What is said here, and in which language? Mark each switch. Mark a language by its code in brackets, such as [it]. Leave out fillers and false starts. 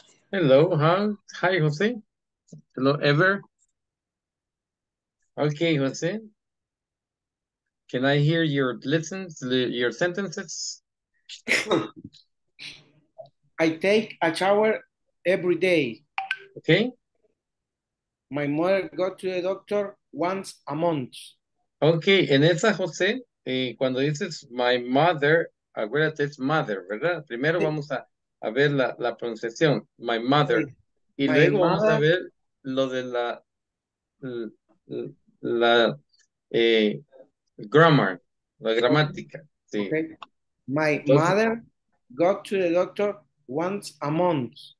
[en] Hello, huh? Hi, Jose. Hello, Ever. Okay, Jose. Can I hear your lessons, your sentences? I take a shower every day. Okay. My mother goes to the doctor once a month. [es] Okay, en esa, José, cuando dices [en] my mother, [es] acuérdate, es mother, ¿verdad? Primero sí. Vamos a ver la pronunciación, [en] my mother. [es] Sí. Y my luego mother... vamos a ver lo de la grammar, la gramática. Sí. Okay. [en] My mother go to the doctor once a month.